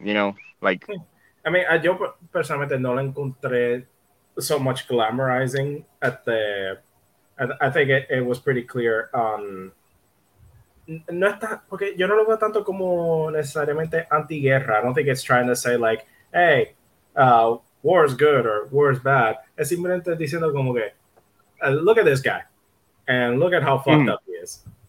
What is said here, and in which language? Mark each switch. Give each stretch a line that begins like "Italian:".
English: I mean,
Spanish: yo personalmente no lo encontré
English: so much glamorizing at the, I think it was pretty clear.
Spanish: No está, porque yo no lo veo tanto como necesariamente anti-guerra.
English: I don't think it's trying to say like, hey, war is good or war is bad.
Spanish: Es simplemente diciendo como que,
English: look at this guy and look at how fucked up he is.